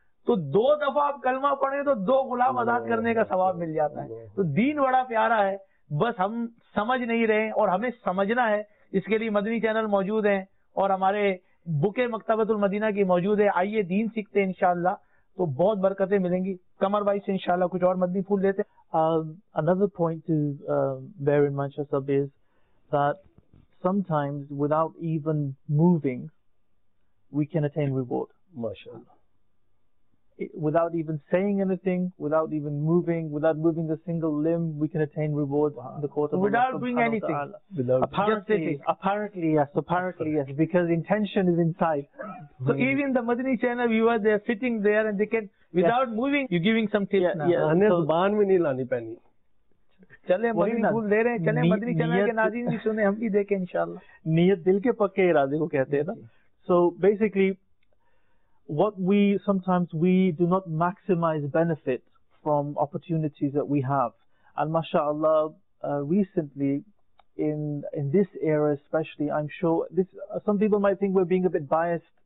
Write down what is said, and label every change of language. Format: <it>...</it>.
<ur>تو دو دفعہ آپ کلمہ پڑھیں تو دو غلام آزاد کرنے کا ثواب مل جاتا ہے. تو دین بڑا پیارا ہے, بس ہم سمجھ نہیں رہے, اور ہمیں سمجھنا ہے. اس کے لیے مدنی چینل موجود ہیں اور ہمارے بک مکتبۃ المدینہ کی موجود ہے. آئیے دین سیکھتے ہیں انشاءاللہ, تو بہت برکتیں ملیں گی. قمر بھائی سے انشاءاللہ کچھ اور مدنی پھول لیتے ہیں.</ur> <en>Another point to bear in mind, Shasab, is that sometimes without even moving we can attain reward. MashaAllah. Without even saying anything, without even moving, without moving a single limb, we can attain reward. Wow. In the court of Allah. Without doing anything. Apparently, yes. Because intention is inside. So even the Madani channel viewers, they are sitting there and they can, without moving, you're giving some tips now. Yeah, and there's</en> <ur>baan bhi nahi lani pehni. چلے مدنی پھول لے رہے ہیں, چلے مدنی channel کے ناظرین بھی سنیں, ہم بھی دیکھیں انشاءاللہ. نیت دل کے پکے ارادے کو کہتے ہیں نا.</ur> <en>So basically, what we sometimes do not maximize benefit from opportunities that we have. And mashallah, recently in this era especially, I'm sure this, some people might think we're being a bit biased.</en>